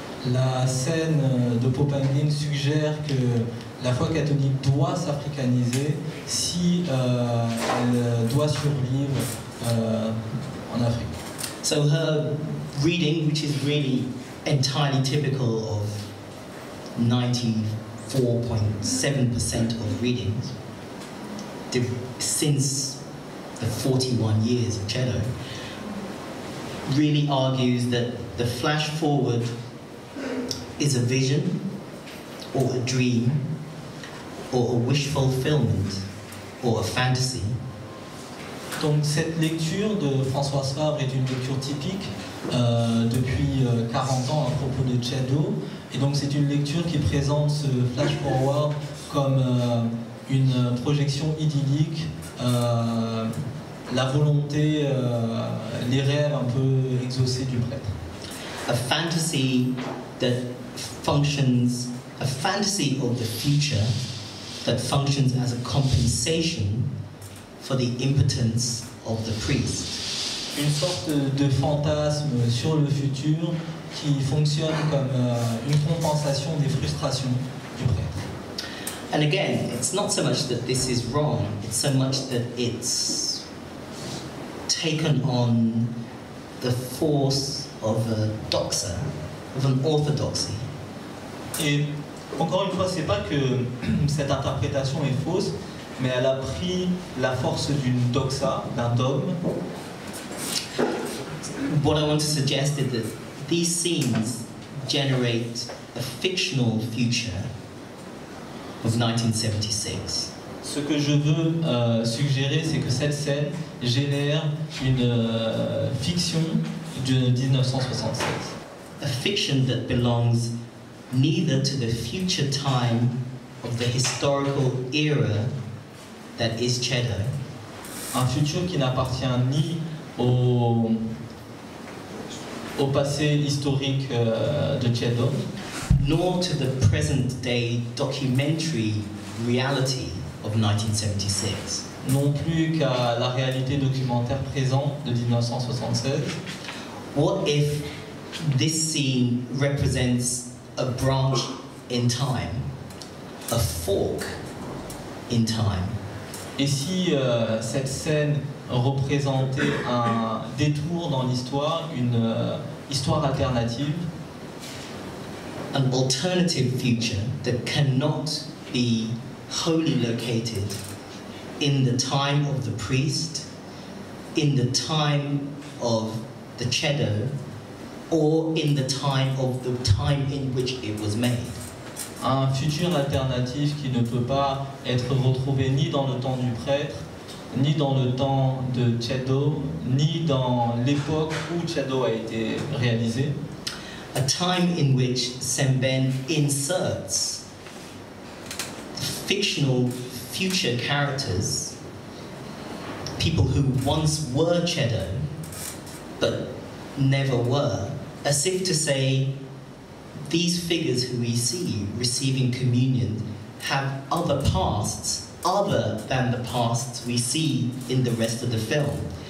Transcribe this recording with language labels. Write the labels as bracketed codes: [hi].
[fr] La scène de Popamine suggère que la foi catholique doit s'africaniser si elle doit survivre en Afrique. [en] So her reading, which is really entirely typical of 94.7% of readings since the 41 years of Chedo, really argues that the flash forward is a vision or a dream or a wish fulfillment or a fantasy. [fr] Donc cette lecture de Françoise Favre est une lecture typique depuis 40 ans à propos de Chedo. Et donc c'est une lecture qui présente ce flash forward comme une projection idyllique, la volonté, les rêves un peu exaucés du prêtre. [en] A fantasy that functions, a fantasy of the future that functions as a compensation for the impotence of the priest. [fr] Une sorte de fantasme sur le futur qui fonctionne comme une compensation des frustrations du prêtre. [en] And again, it's not so much that this is wrong, it's so much that it's taken on the force of a doxa, of an orthodoxy. [fr] Et encore une fois, c'est pas que cette interprétation est fausse, mais elle a pris la force d'une doxa, d'un dogme. [en] What I want to suggest is that these scenes generate a fictional future of 1976. [fr] Ce que je veux suggérer, c'est que cette scène génère une fiction de 1976. [en] A fiction that belongs neither to the future time of the historical era that is Chedo. [fr] Un futur qui n'appartient ni au passé historique de Chedo, [en] nor to the present day documentary reality of 1976. [fr] Non plus qu'à la réalité documentaire présente de 1976. [en] What if this scene represents a branch in time, a fork in time? [fr] Et si cette scène représentait un détour dans l'histoire, une histoire alternative? [en] An alternative future that cannot be wholly located in the time of the priest, in the time of the Chedo, or in the time of the time in which it was made. [fr] Un futur alternatif qui ne peut pas être retrouvé ni dans le temps du prêtre, ni dans le temps de Chedo, ni dans l'époque où Chedo a été réalisé. [en] A time in which Semben inserts fictional future characters, people who once were Chedo, but never were, as if to say, these figures who we see receiving communion have other pasts, other than the pasts we see in the rest of the film.